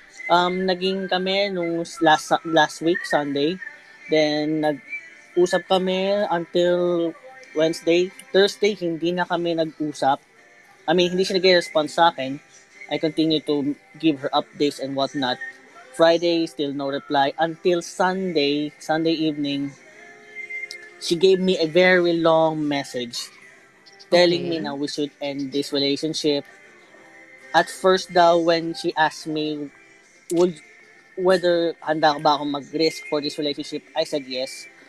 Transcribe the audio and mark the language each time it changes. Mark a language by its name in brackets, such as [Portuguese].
[Filipino] Naging kami nung [English] last week, [Filipino] Sunday. Then, nag-usap kami until Wednesday. Thursday, hindi na kami nag-usap. [English] I mean, [Filipino] hindi siya nag-respond sa akin. [English] I continue to give her updates and whatnot. Friday, still no reply. Until Sunday evening, she gave me a very long message. Telling me now we should end this relationship. at first daw, when she asked me whether [Filipino] handa ba ako mag-risk [English] for this relationship, I said yes.